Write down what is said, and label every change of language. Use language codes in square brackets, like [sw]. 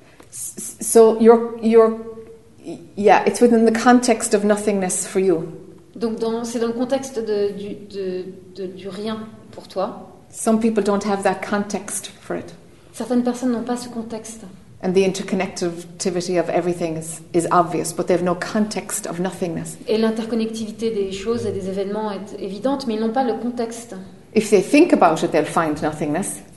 [en] So you're it's within the context of nothingness for you. [fr] Donc c'est dans le contexte du rien pour toi. [en] Some people don't have that context for it. [fr] Certaines personnes n'ont pas ce contexte. [en] And the interconnectivity of everything is obvious, but they have no context of nothingness. [fr] Et l'interconnectivité des choses et des événements est évidente, mais ils n'ont pas le contexte. [en] If they think about it, they'll find nothingness.